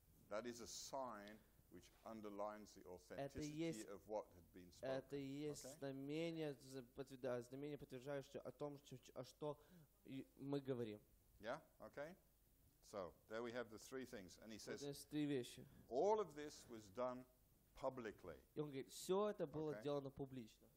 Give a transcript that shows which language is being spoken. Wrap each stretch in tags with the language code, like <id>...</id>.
<en>That is a sign which underlines the authenticity of what had been spoken.</en> <ru>Это есть знамение, подтверждающее о том, что мы говорим.</ru> <en>Yeah, okay. So, there we have the three things. And he says,</en> <ru>три вещи.</ru> <en>All of this was done publicly.</en> <ru>И он говорит, все это было сделано публично.</ru>